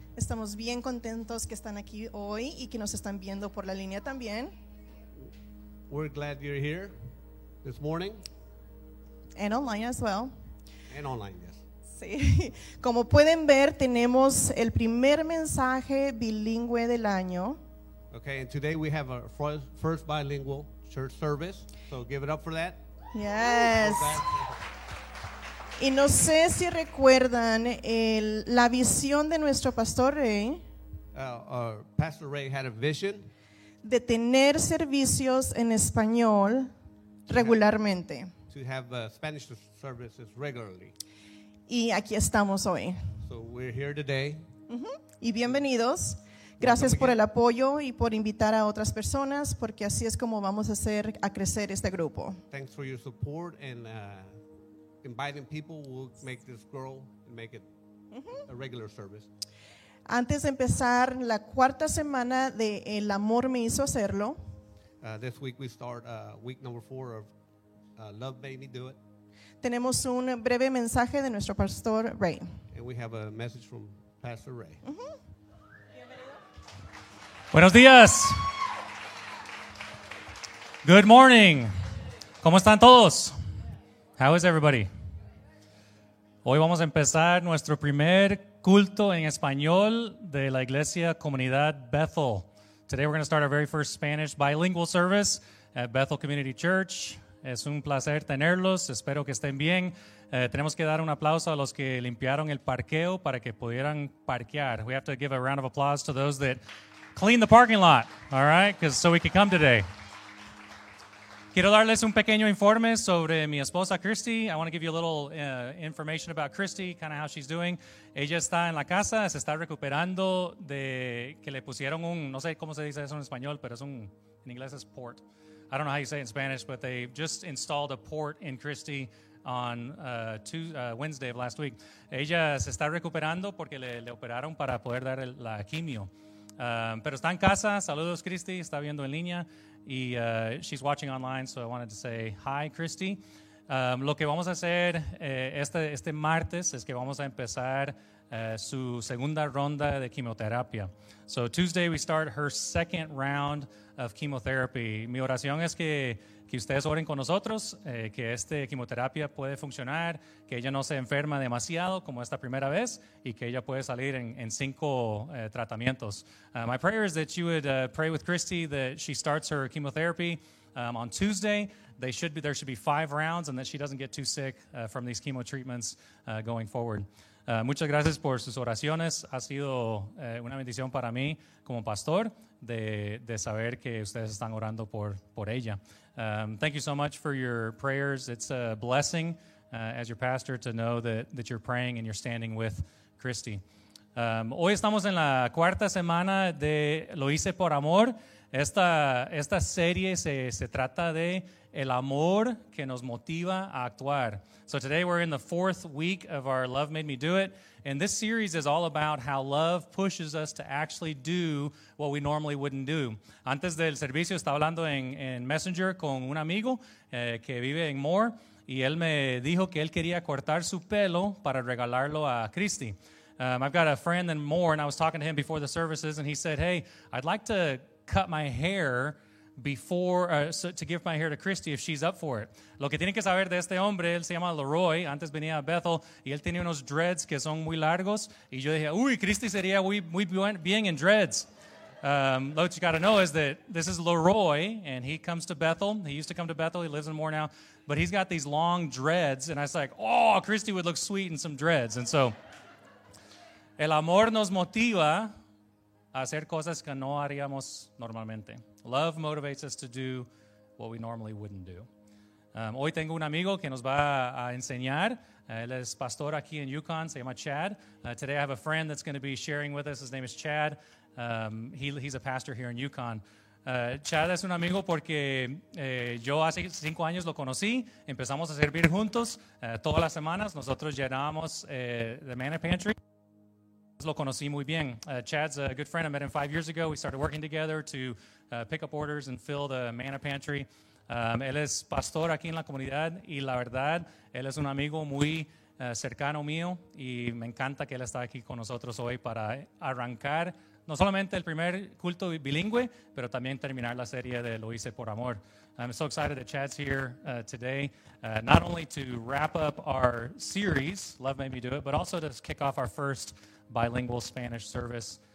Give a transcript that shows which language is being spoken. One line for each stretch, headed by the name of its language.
Spanish: Estamos bien contentos que están aquí hoy y que nos están viendo por la línea también.
English: We're glad you're here this morning. And online as well. And online, yes.
Spanish: Sí. Como pueden ver, tenemos el primer mensaje bilingüe del año.
English: Okay, and today we have our first bilingual church service. So give it up for that. Yes.
Spanish: Y no sé si recuerdan la visión de nuestro pastor Ray.
English: Pastor Ray had a vision.
Spanish: De tener servicios en español regularmente.
English: To have Spanish services regularly.
Spanish: Y aquí estamos hoy.
English: So we're here today.
Spanish: Mm-hmm. Y bienvenidos. Gracias por el apoyo y por invitar a otras personas, porque así es como vamos a hacer a crecer este grupo.
English: Thanks for your support and inviting people will make this grow and make it a regular service.
Spanish: Antes de empezar la cuarta semana de El Amor Me Hizo Hacerlo.
English: This week we start week number four of Love Made Me Do It.
Spanish: Tenemos un breve mensaje de nuestro pastor Ray.
English: And we have a message from Pastor Ray.
Spanish: Buenos días.
English: Good morning.
Spanish: ¿Cómo están todos?
English: How is everybody?
Spanish: Hoy vamos a empezar nuestro primer culto en español de la iglesia Comunidad Bethel.
English: Today we're going to start our very first Spanish bilingual service at Bethel Community Church.
Spanish: Es un placer tenerlos. Espero que estén bien. Tenemos que dar un aplauso a los que limpiaron el parqueo para que pudieran parquear.
English: We have to give a round of applause to those that clean the parking lot, all right, because so we could come today.
Spanish: Quiero darles un pequeño informe sobre mi esposa, Christy.
English: I want to give you a little information about Christy, kind of how she's doing.
Spanish: Ella está en la casa, se está recuperando de que le pusieron un, no sé cómo se dice eso en español, pero es un, en inglés es port.
English: I don't know how you say it in Spanish, but they just installed a port in Christy on Wednesday of last week.
Spanish: Ella se está recuperando porque le operaron para poder dar la quimio. Pero está en casa. Saludos, Christy. Está viendo en línea. Y
English: she's watching online, so I wanted to say hi, Christy.
Spanish: Lo que vamos a hacer este martes es que vamos a empezar su segunda ronda de quimioterapia.
English: So Tuesday we start her second round of chemotherapy.
Spanish: Mi oración es que ustedes oren con nosotros, que esta quimioterapia puede funcionar, que ella no se enferma demasiado como esta primera vez y que ella puede salir en cinco tratamientos.
English: My prayer is that you would pray with Christy that she starts her chemotherapy on Tuesday. There should be five rounds and that she doesn't get too sick from these chemo treatments going forward.
Spanish: Muchas gracias por sus oraciones. Ha sido una bendición para mí como pastor de saber que ustedes están orando por ella.
English: Thank you so much for your prayers. It's a blessing as your pastor to know that you're praying and you're standing with Christy.
Spanish: Hoy estamos en la cuarta semana de Lo Hice Por Amor. Esta serie se trata de el amor que nos motiva a actuar.
English: So today we're in the fourth week of our Love Made Me Do It. And this series is all about how love pushes us to actually do what we normally wouldn't do.
Spanish: Antes del servicio estaba hablando en Messenger con un amigo que vive en Moore. Y él me dijo que él quería cortar su pelo para regalarlo a Christy.
English: I've got a friend in Moore and I was talking to him before the services. And he said, hey, I'd like to cut my hair to give my hair to Christy if she's up for it.
Spanish: Lo que tienen que saber de este hombre, él se llama Leroy, antes venía a Bethel, y él tenía unos dreads que son muy largos, y yo dije, uy, Christy sería muy bien en dreads.
English: What you got to know is that this is Leroy, and he comes to Bethel. He used to come to Bethel. He lives in Moore now, but he's got these long dreads, and I was like, oh, Christy would look sweet in some dreads. And so,
Spanish: el amor nos motiva a hacer cosas que no haríamos normalmente.
English: Love motivates us to do what we normally wouldn't do.
Spanish: Hoy tengo un amigo que nos va a enseñar. Él es pastor aquí en Yukon. Se llama Chad.
English: Today I have a friend that's going to be sharing with us. His name is Chad. He's a pastor here in Yukon.
Spanish: Chad es un amigo porque yo hace 5 años lo conocí. Empezamos a servir juntos todas las semanas. Nosotros llenábamos the manna pantry. Lo conocí muy bien.
English: Chad's a good friend. I met him 5 years ago. We started working together to pick up orders and fill the manna pantry.
Spanish: Él es pastor aquí en la comunidad y la verdad, él es un amigo muy cercano mío y me encanta que él esté aquí con nosotros hoy para arrancar no solamente el primer culto bilingüe, pero también terminar la serie de Lo Hice Por Amor.
English: I'm so excited that Chad's here today, not only to wrap up our series, Love Made Me Do It, but also to kick off our first bilingual Spanish service.